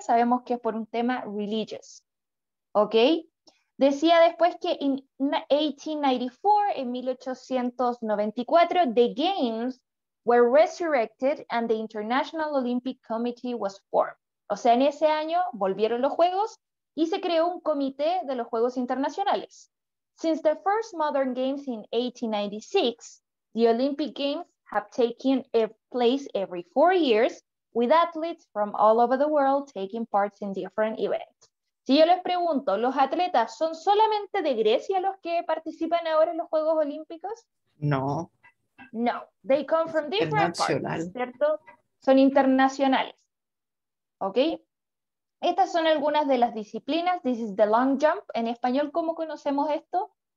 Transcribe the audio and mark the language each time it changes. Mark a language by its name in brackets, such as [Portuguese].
[Spanish] Sabemos que es por un tema religious. ¿Ok? Decía después que en 1894, en 1894, [English] the Games were resurrected and the International Olympic Committee was formed. [Spanish] O sea, en ese año volvieron los Juegos y se creó un comité de los Juegos Internacionales. [English] Since the first modern games in 1896, the Olympic Games have taken place every 4 years with athletes from all over the world taking part in different events. [Spanish] Si yo les pregunto, ¿los atletas son solamente de Grecia los que participan ahora en los Juegos Olímpicos? No. [English] No, they come from different parts, ¿cierto? [Spanish] Son internacionales. [English] ¿Ok? [Spanish] Estas son algunas de las disciplinas. [English] This is the long jump. [Spanish] En español, ¿cómo conocemos esto?